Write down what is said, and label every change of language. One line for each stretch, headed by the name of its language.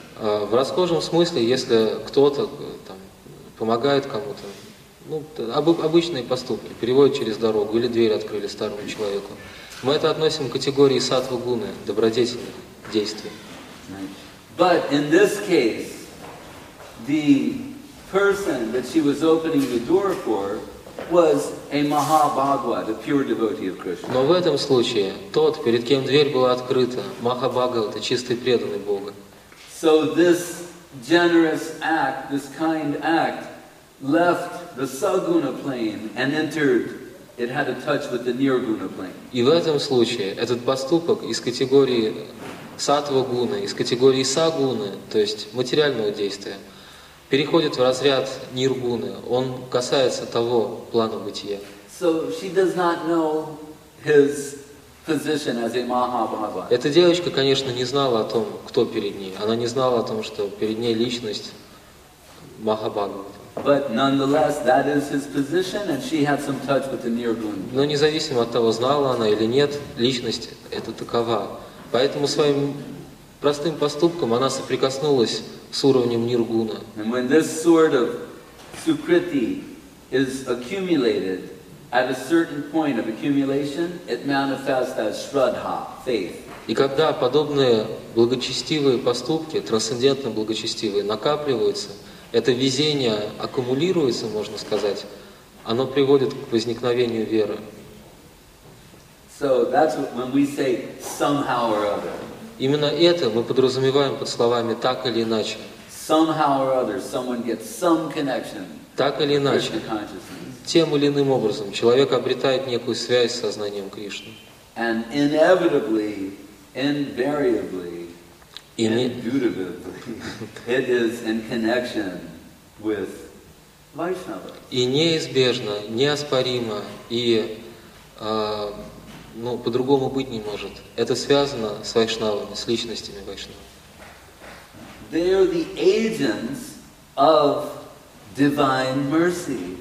Russian: В расхожем смысле, если кто-то там помогает кому-то, ну, обычные поступки, переводят через дорогу или дверь открыли старому человеку, мы это относим к категории сатва-гуны, добродетельных действий.
English: But in this case, the person that she was opening the door for was a Mahabhagavat, the pure devotee of Krishna.
Russian: Но в этом случае тот, перед кем дверь была открыта, Махабхагават, чистый преданный Бога.
English: So this generous act, this kind act, left the saguna plane and entered. It had a touch with the nirguna plane.
Russian: И в этом случае этот поступок из категории сатва гуны, из категории сагуны, то есть материального действия, переходит в разряд ниргуны. Он касается того плана бытия.
English: So she does not know his position as a Mahabhagavat.
Russian: Эта девочка, конечно, не знала о том, кто перед ней. Она не знала о том, что перед ней личность Махабхагавата.
English: But nonetheless, that is his position, and she had some touch with the nirguna.
Russian: Но независимо от того, знала она или нет, личность это такова. Поэтому своим простым поступком она соприкоснулась с уровнем ниргуна.
English: And when this sort of sukriti is accumulated at a certain point of accumulation, it manifests as shraddha, faith.
Russian: И когда подобные благочестивые поступки, трансцендентно благочестивые, накапливаются, это везение аккумулируется, можно сказать, оно приводит к возникновению веры.
English: So that's when we say somehow or other.
Russian: Именно это мы подразумеваем под словами так или иначе.
English: Somehow or other, someone gets some connection.
Russian: Так или иначе, тем или иным образом человек обретает некую связь с сознанием Кришны.
English: And inevitably, invariably, indubitably, it is in connection with Vaishnava.
Russian: И неизбежно, неоспоримо и ну, по-другому быть не может. Это связано с вайшнавами, с личностями вайшнава.
English: They are the agents of divine mercy.